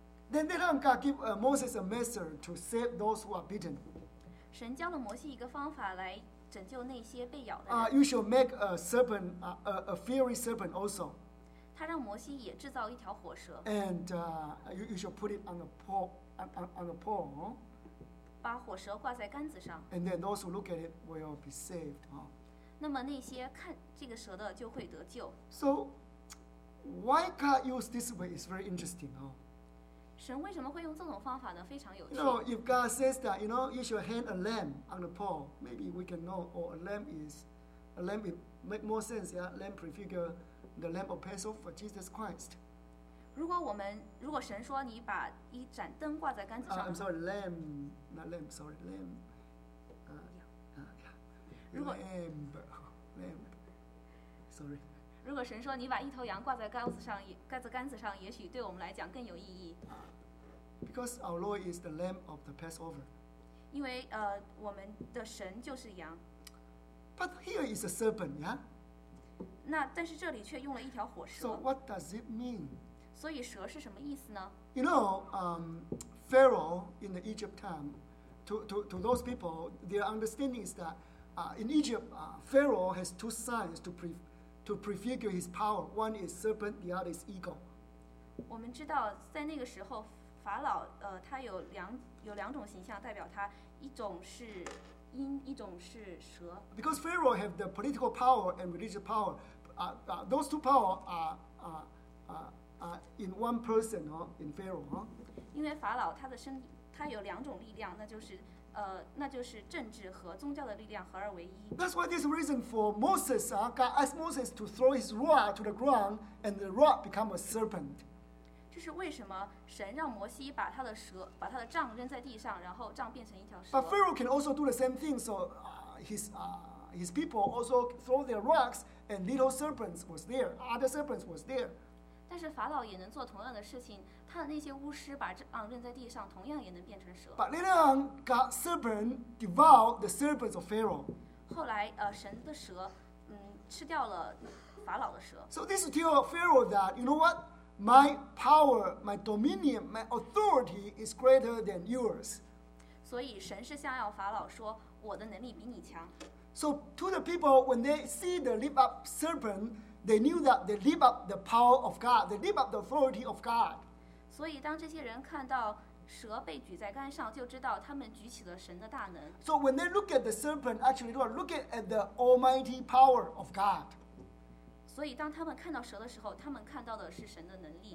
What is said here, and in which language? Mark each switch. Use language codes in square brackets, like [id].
[en] Then later on, God gave Moses a method to save those who are bitten. [zh] 神教了摩西一个方法来拯救那些被咬的人。 [en] You shall make a serpent, a fiery serpent also. [zh] 他让摩西也制造一条火蛇。 [en] And you shall put it on a pole, on a pole.、 [zh] 把火蛇挂在杆子上。 [en] And then those who look at it will be saved.、 [zh] 那么那些看这个蛇的就会得救。 [en] So why God use this way is very interesting.、 [zh] 神为什么会用这种方法呢？非常有趣。 [en] No, if God says that, you know, you should hang a lamb on the pole, maybe we can know, or a lamb it make more sense, yeah? Lamb prefigure the lamb of Passover for Jesus Christ. [zh] 如果神说你把一盏灯挂在杆子上。 [en] I'm sorry, lamb, not lamb, sorry, lamb. Lamb, lamb, sorry. [zh] 如果神说你把一头羊挂在杆子上，也许对我们来讲更有意义。 [en] Because our Lord is the Lamb of the Passover. [zh] 因为我们的神就是羊。 [en] But here is a serpent, yeah. [zh] 那但是这里却用了一条火蛇。 [en] So what does it mean? [zh] 所以蛇是什么意思呢 [en] ？You know, Pharaoh in the Egypt time, to those people, their understanding is that, in Egypt, Pharaoh has two signs to prefigure his power. One is serpent, the other is eagle. [zh] 我们知道在那个时候法老他有两种形象代表他，一种是鹰，一种是蛇。 [en] Because Pharaoh have the political power and religious power, those two power are, are, are, in one person, huh? In Pharaoh, huh? [zh] 因为法老他的身体他有两种力量，那就是那就是政治和宗教的力量合而为一。 [en] That's why there's a reason for Moses, God asked Moses to throw his rod to the ground, and the rod become a serpent. [zh] 这是为什么神让摩西把他的蛇，把他的杖扔在地上，然后杖变成一条蛇。 [en] But Pharaoh can also do the same thing, so his people also throw their rocks, and little serpents was there, other serpents was there. [zh] 但是法老也能做同样的事情，他的那些巫师把杖扔在地上，同样也能变成蛇。 [en] But later on, God serpent devoured the serpents of Pharaoh. [zh] 后来，神的蛇，吃掉了法老的蛇。 [en] So this tells Pharaoh that you know what, my power, my dominion, my authority is greater than yours. [zh] 所以神是向要法老说，我的能力比你强。 [en] So to the people, when they see the lift up serpent. They knew that they lift up the power of God. They lift up the authority of God. [zh] 所以当这些人看到蛇被举在杆上，就知道他们举起了神的大能。 [en] So when they look at the serpent, actually they look at the almighty power of God. [zh] 所以当他们看到蛇的时候，他们看到的是神的能力。